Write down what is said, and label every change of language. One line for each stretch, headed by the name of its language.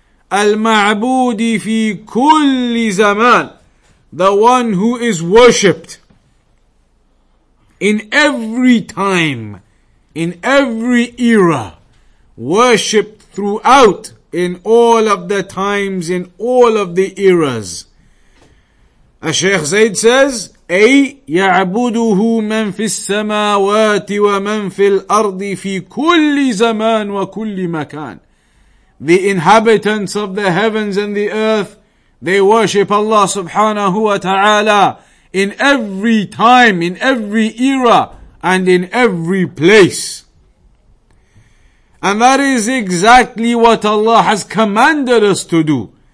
Arabic: المعبود في كل زمان,
English: the one who is worshipped in every time, in every era, worshipped throughout, in all of the times, in all of the eras. As Sheikh Zayd says,
Arabic: أي يعبده من في السماوات ومن في الأرض في كل زمان وكل مكان.
English: The inhabitants of the heavens and the earth, they worship Allah subhanahu wa ta'ala in every time, in every era, and in every place. And that is exactly what Allah has commanded us to do.